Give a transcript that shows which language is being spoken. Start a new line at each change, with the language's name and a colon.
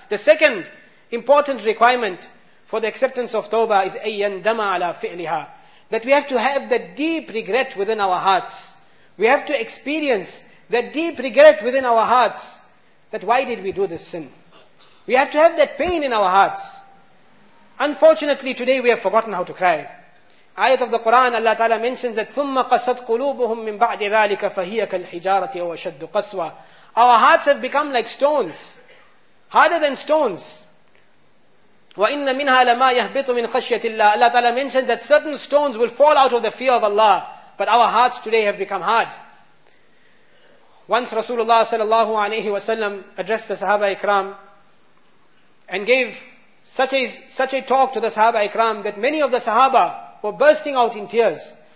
English: The second important requirement for the acceptance of tawbah is ayyan dama ala fi'liha, that we have to have that deep regret within our hearts. We have to experience that deep regret within our hearts that why did we do this sin? We have to have that pain in our hearts. Unfortunately, today we have forgotten how to cry. Ayat of the Quran, Allah Ta'ala mentions that
Arabic: ثُمَّ قَسَتْ قُلُوبُهُمْ مِنْ بَعْدِ ذَٰلِكَ فَهِيَ كَالْحِجَارَةِ وَشَدُّ قَسْوَى.
English: Our hearts have become like stones, harder than stones.
Arabic: وَإِنَّ مِنْهَا لَمَا يَهْبِطُ مِنْ خَشْيَةِ اللَّهِ.
English: Allah Ta'ala mentions that certain stones will fall out of the fear of Allah, but our hearts today have become hard. Once Rasulullah sallallahu alayhi wa sallam addressed the Sahaba Ikram and gave such a talk to the Sahaba Ikram that many of the Sahaba were bursting out in tears.